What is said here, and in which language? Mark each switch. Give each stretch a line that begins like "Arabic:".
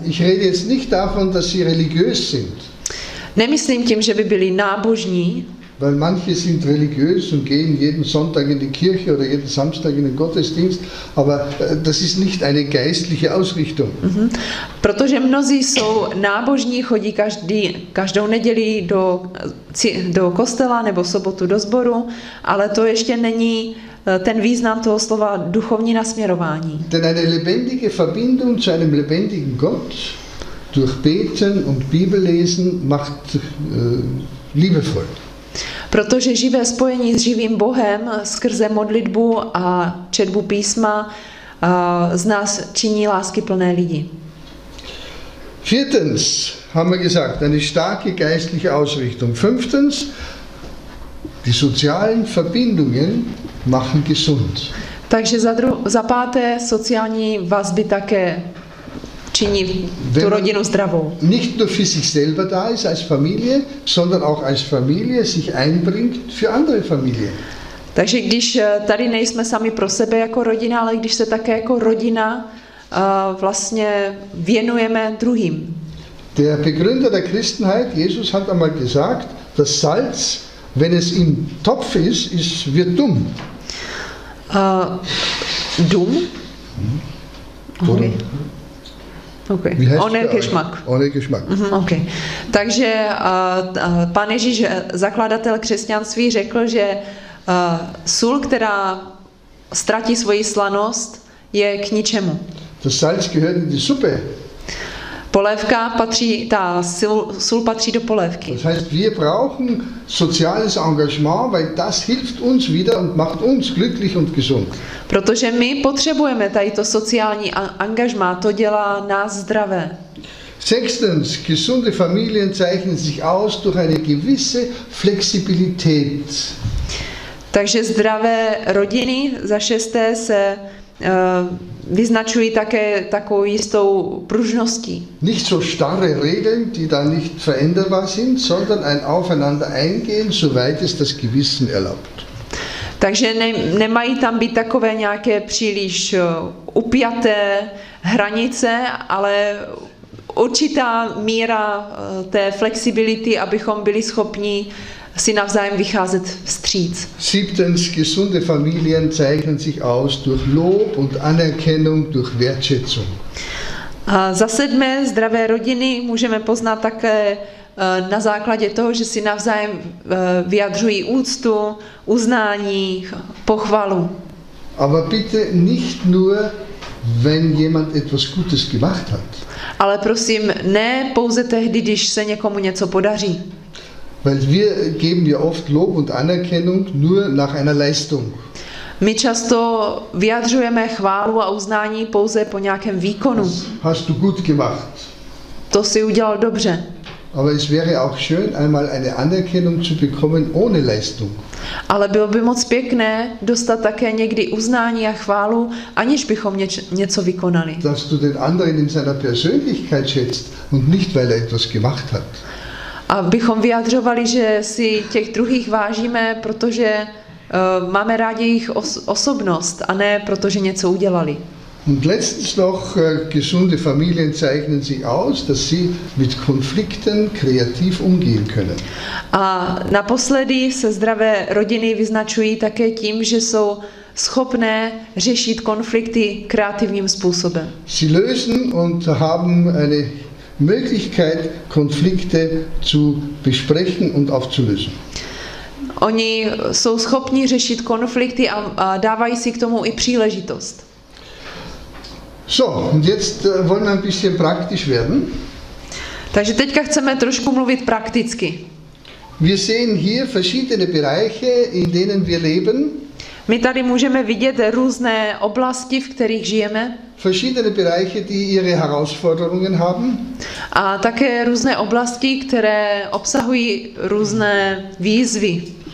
German: Ich rede jetzt nicht davon, dass sie religiös sind.
Czech: Nemyslím tím, že by byli nábožní.
German: weil manche sind religiös und gehen jeden Sonntag in die Kirche oder jeden Samstag in den Gottesdienst, aber das ist nicht eine geistliche Ausrichtung.
Czech: Protože mnozí jsou nábožní, chodí každou neděli do kostela nebo sobotu do sboru, ale to ještě není ten význam toho slova duchovní nasměrování.
German: Denn eine lebendige Verbindung zu einem lebendigen Gott durch Beten und Bibellesen macht liebevoll.
Czech: Protože živé spojení s živým Bohem skrze modlitbu a četbu písma z nás činí lásky plné lidi.
German: Viertens, haben wir gesagt, eine starke geistliche Ausrichtung. Fünftens, die sozialen Verbindungen machen gesund.
Czech: Takže za páté, sociální vazby také činí tu rodinu zdravou.
German: Nicht nur für sich selber da ist als Familie, sondern auch als Familie sich einbringt für andere Familien.
Czech: Takže když tady nejsme sami pro sebe jako rodina, ale když se také jako rodina vlastně věnujeme druhým.
German: Der Begründer der Christenheit, Jesus, hat einmal gesagt, das Salz, wenn es im Topf ist, wird dumm. Dumm? Okay. Ohne Geschmack. Okay.
Czech: Takže pan Ježíš, zakladatel křesťanství, řekl, že sůl, která ztratí svoji slanost, je k ničemu.
German: Das Salz gehört in die Suppe.
Czech: Polévka patří, ta sůl patří do polévky.
German: Das heißt, wir brauchen soziales Engagement, weil das hilft uns wieder und macht uns glücklich und gesund.
Czech: Protože my potřebujeme tady to sociální angažmá, to dělá nás zdravé.
German: Sechstens, gesunde Familien zeichnen sich aus durch eine gewisse Flexibilität.
Czech: Takže zdravé rodiny, za šesté, se vyznačují také takovou jistou pružností.
German: Nicht so starre Regeln, die dann nicht veränderbar sind, sondern ein aufeinander eingehen, soweit es das Gewissen erlaubt.
Czech: Takže nemají tam být takové nějaké příliš upjaté hranice, ale určitá míra té flexibility, abychom byli schopni si navzájem vycházet vstříc.
German: Siebtens, gesunde Familien zeichnen sich aus durch Lob und Anerkennung, durch Wertschätzung.
Czech: Za sedmé, zdravé rodiny můžeme poznat také na základě toho, že si navzájem vyjadřují úctu, uznání, pochvalu.
German: Aber bitte nicht nur, wenn jemand etwas Gutes gemacht hat.
Czech: Ale prosím, ne pouze tehdy, když se někomu něco podaří.
German: Weil wir geben ja oft Lob und Anerkennung nur nach einer Leistung.
Czech: My často vyjadřujeme chválu a uznání pouze po nějakém výkonu.
German: Hast du gut gemacht.
Czech: To jsi udělal dobře.
German: Aber es wäre auch schön, einmal eine Anerkennung zu bekommen ohne Leistung.
Czech: Ale bylo by moc pěkné dostat také někdy uznání a chválu, aniž bychom něco vykonali.
German: Dass du den anderen in seiner Persönlichkeit schätzt und nicht weil er etwas gemacht hat.
Czech: Abychom vyjadřovali, že si těch druhých vážíme, protože máme rádi jejich osobnost, a ne protože něco udělali.
German: Und letztens noch, gesunde Familien zeichnen sich aus, dass sie mit Konflikten kreativ umgehen können.
Czech: A naposledy se zdravé rodiny vyznačují také tím, že jsou schopné řešit konflikty kreativním způsobem.
German: Sie lösen und haben eine Möglichkeit, Konflikte zu besprechen und aufzulösen.
Czech: Oni jsou schopni řešit konflikty a dávají si k tomu i příležitost.
German: So, und jetzt wollen wir ein bisschen praktisch werden.
Czech: Takže teďka chceme trošku mluvit prakticky.
German: Wir sehen hier verschiedene Bereiche, in denen wir leben.
Czech: My tady můžeme vidět různé oblasti, v kterých žijeme.
German: Verschiedene Bereiche, die ihre Herausforderungen haben.
Czech: A také různé oblasti, které obsahují různé výzvy.